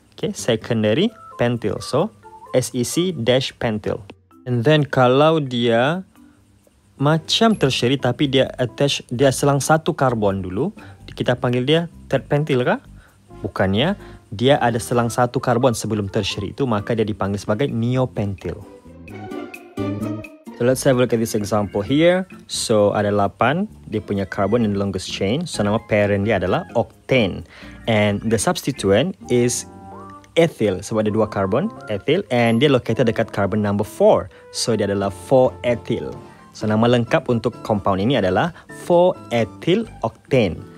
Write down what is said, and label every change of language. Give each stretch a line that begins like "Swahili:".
English: Okay, secondary pentil. So SEC dash pentil. And then
Malay: kalau dia macam tertiary tapi dia attach, dia selang satu karbon dulu, kita panggil dia tertpentil kah? Bukannya, dia ada selang satu karbon sebelum tertiary itu, maka dia dipanggil sebagai neopentil.
English: So let's have a look at this example here.
Malay: So ada 8, dia punya karbon
English: in the longest chain.
Malay: So nama parent dia adalah octane.
English: And the substituent is ethyl,
Malay: sebab ada 2 karbon, ethyl. And dia located dekat karbon number 4. So dia adalah 4-ethyl. So nama lengkap untuk compound ini adalah 4-ethyl octane.